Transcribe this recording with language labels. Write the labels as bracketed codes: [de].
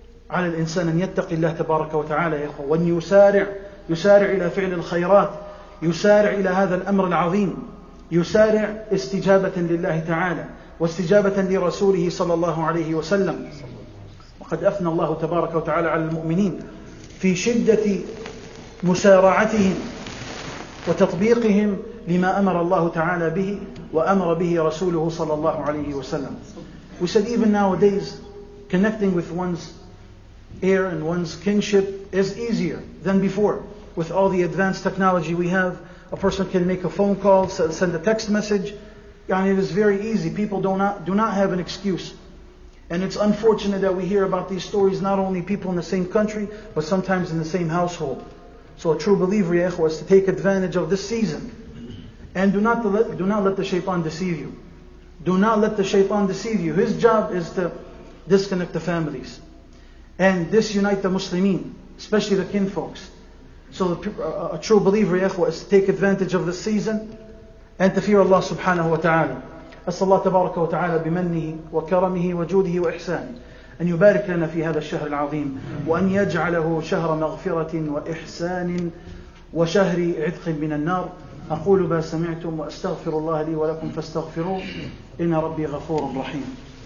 [ar] على الإنسان أن يتقي الله تبارك وتعالى يا إخوة، وأن يسارع إلى فعل الخيرات، يسارع إلى هذا الأمر العظيم، يسارع استجابة لله تعالى واستجابة لرسوله صلى الله عليه وسلم. وقد أثنى الله تبارك وتعالى على المؤمنين في شدة مسارعتهم وتطبيقهم لما أمر الله تعالى به وأمر به رسوله صلى الله عليه وسلم. [en] We said even nowadays connecting with one's air and one's kinship is easier than before. With all the advanced technology we have, a person can make a phone call, send a text message. And it is very easy. People do not have an excuse. And it's unfortunate that we hear about these stories, not only people in the same country, but sometimes in the same household. So a true believer, [ar] ya ikhwah, [en] is to take advantage of this season. And do not let the shaytan deceive you. Do not let the shaytan deceive you. His job is to disconnect the families and disunite the Muslimin, especially the kinfolks. So a true believer, [ar] ya ikhwah, [en] is to take advantage of this season and to fear Allah subhanahu wa ta'ala. [ar] أسأل الله تبارك وتعالى بمنه وكرمه وجوده وإحسانه أن يبارك لنا في هذا الشهر العظيم، وأن يجعله شهر مغفرة وإحسان وشهر عتق من النار. أقول ما سمعتم وأستغفر الله لي ولكم فاستغفروه، إن ربي غفور رحيم.